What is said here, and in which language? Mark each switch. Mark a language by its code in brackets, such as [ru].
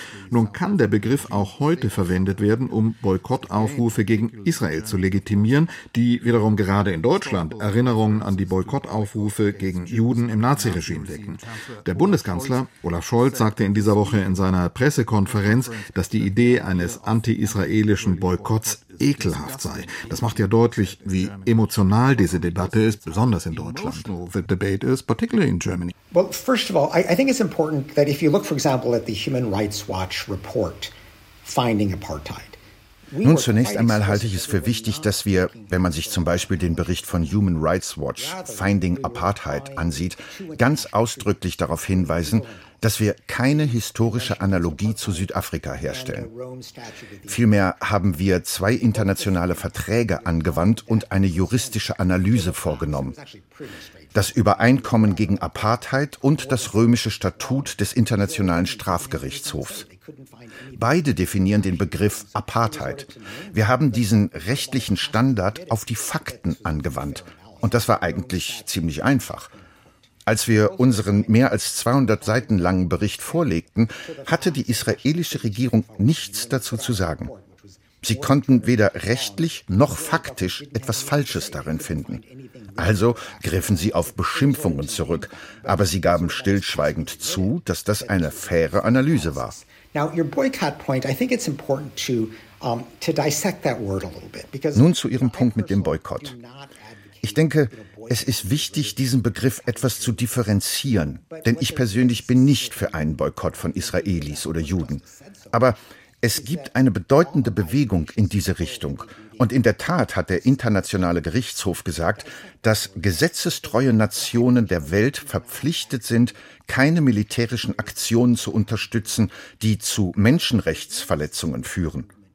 [de] Nun kann der Begriff auch heute verwendet werden, um Boykottaufrufe gegen Israel zu legitimieren, die wiederum gerade in Deutschland Erinnerungen an die Boykottaufrufe gegen Juden im Naziregime wecken. Der Bundeskanzler Olaf Scholz sagte in dieser Woche in seiner Pressekonferenz, dass die Idee eines anti-israelischen Boykotts ekelhaft sei. Das macht ja deutlich, wie emotional diese Debatte ist, besonders in Deutschland. [en] The debate is particularly in Germany. Well, first of all, I think it's important that if you look, for example, at the Human Rights Watch report finding apartheid. [de] Nun, zunächst einmal halte ich es für wichtig, dass wir, wenn man sich zum Beispiel den Bericht von Human Rights Watch Finding Apartheid ansieht, ganz ausdrücklich darauf hinweisen, dass wir keine historische Analogie zu Südafrika herstellen. Vielmehr haben wir zwei internationale Verträge angewandt und eine juristische Analyse vorgenommen. Das Übereinkommen gegen Apartheid und das römische Statut des Internationalen Strafgerichtshofs. Beide definieren den Begriff Apartheid. Wir haben diesen rechtlichen Standard auf die Fakten angewandt. Und das war eigentlich ziemlich einfach. Als wir unseren mehr als 200 Seiten langen Bericht vorlegten, hatte die israelische Regierung nichts dazu zu sagen. Sie konnten weder rechtlich noch faktisch etwas Falsches darin finden. Also griffen sie auf Beschimpfungen zurück, aber sie gaben stillschweigend zu, dass das eine faire Analyse war. [en] Now, your boycott point, I think it's important to dissect that word a little bit. [de] Nun zu Ihrem Punkt mit dem Boykott. Ich denke, es ist wichtig, diesen Begriff etwas zu differenzieren, denn ich persönlich bin nicht für einen Boykott von Israelis oder Juden. Aber es gibt eine bedeutende Bewegung in diese Richtung. Und in der Tat hat der Internationale Gerichtshof gesagt, dass gesetzestreue Nationen der Welt verpflichtet sind, keine militärischen Aktionen zu unterstützen, die zu Menschenrechtsverletzungen führen.